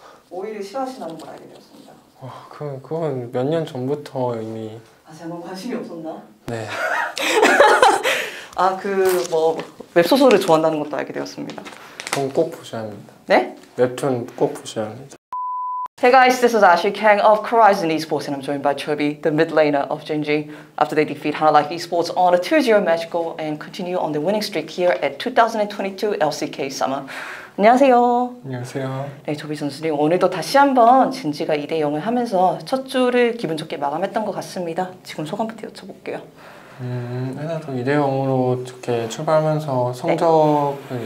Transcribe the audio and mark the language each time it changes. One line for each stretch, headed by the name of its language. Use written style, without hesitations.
Korean: 오일을 싫어하시나는 걸 알게 되었습니다. 와, 그건 몇년 전부터 이미. 아, 제가 관심이 없었나? 네. 아, 웹소설을 좋아한다는 것도 알게 되었습니다. 그건 꼭 보셔야 합니다. 네? 웹툰 꼭 보셔야 합니다.
English: Hey guys, this is Ashley Kang of Horizon Esports, and I'm joined by Chovy, the mid laner of Gen.G. After they defeat Hana Life Esports on a 2-0 match goal and continue on the winning streak here at 2022 LCK Summer.
Korean: 안녕하세요. 안녕하세요. 네, 조비 선수님, 오늘도 다시 한번 진지가 2대 0을 하면서 첫 주를 기분 좋게 마감했던 것 같습니다. 지금 소감부터 여쭤볼게요. 하나도 2대 0으로 좋게 출발하면서 성적을 네.